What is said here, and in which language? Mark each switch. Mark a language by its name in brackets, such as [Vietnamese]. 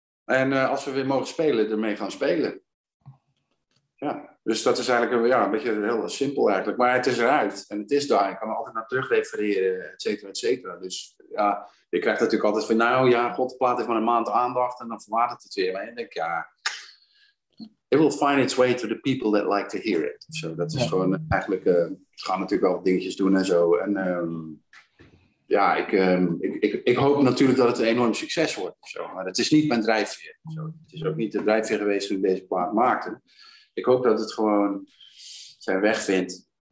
[Dutch] En als we weer mogen spelen, ermee gaan spelen. Ja, dus dat is eigenlijk een beetje heel simpel eigenlijk. Maar het is eruit en het is daar. Ik kan er altijd naar terug refereren, et cetera, et cetera. Dus ja, je krijgt natuurlijk altijd van, nou ja, god, de plaat heeft maar een maand aandacht en dan verwatert het weer. Maar ik denk, ja, [English] it will find its way to the people that like to hear it. [Dutch] Zo, dat is gewoon eigenlijk, gaan natuurlijk wel dingetjes doen en zo. En ja, ik hoop natuurlijk dat het een enorm succes wordt. Zo. Maar het is niet mijn drijfveer. Zo. Het is ook niet de drijfveer geweest toen ik deze plaat maakte. Ik hoop dat het gewoon zijn weg vindt.